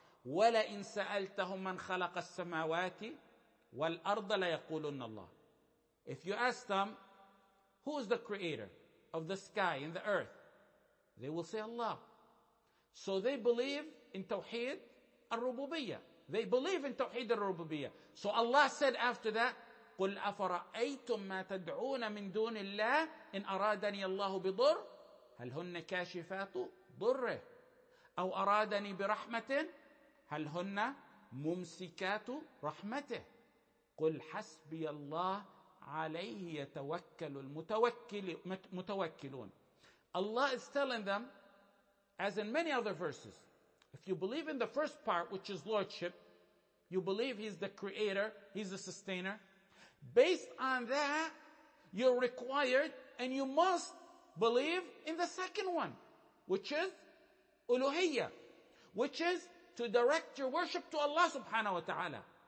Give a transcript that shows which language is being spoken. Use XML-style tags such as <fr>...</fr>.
<ar>وَلَئِن سَأَلْتَهُمْ مَنْ خَلَقَ السَّمَاوَاتِ وَالْأَرْضَ لَيَقُولُنَّ اللَّهِ.</ar> <en>If you ask them, who is the creator of the sky and the earth? They will say Allah. So they believe in Tawheed al-Rububiyyah. They believe in Tawheed al-Rububiyyah. So Allah said after that,</en> <ar>قُلْ أَفَرَأَيْتُمْ مَا تَدْعُونَ مِنْ دُونِ اللَّهِ إِنْ أَرَادَنِيَ اللَّهُ بِضُرٍ هَلْ هُنَّ كَاشِفَاتُ ضُرِّهِ أَوْ أَرَادَنِي بِرَحْمَةٍ هَلْ هُنَّ مُمْسِكَاتُ رَحْمَتِهِ قُلْ حَسْبِيَ اللَّهُ عليه يتوكل المتوكلون.</ar> <en>Allah is telling them, as in many other verses, if you believe in the first part, which is lordship, you believe He's the creator, He's the sustainer, based on that, you're required and you must believe in the second one, which is uluhiyyah, which is to direct your worship to Allah subhanahu wa ta'ala.</en>